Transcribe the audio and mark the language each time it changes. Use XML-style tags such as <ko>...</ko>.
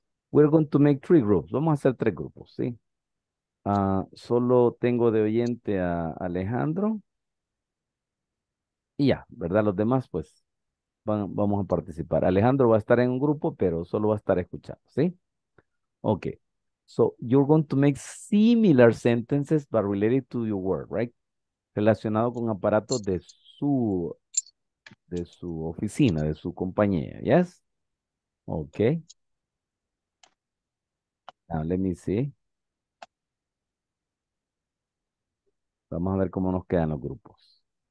<en>We're going to make 3 groups.</en> <es>Vamos a hacer 3 grupos, ¿sí? Solo tengo de oyente a Alejandro. Y ya, ¿verdad? Los demás, pues, vamos a participar. Alejandro va a estar en un grupo, pero solo va a estar escuchando, ¿sí?</es> <en>Okay, so you're going to make similar sentences but related to your work, right?</en> <es>Relacionado con aparatos de su oficina, de su compañía, yes? Okay.</es> <en>Now let me see.</en> <es>Vamos a ver cómo nos quedan los grupos.</es>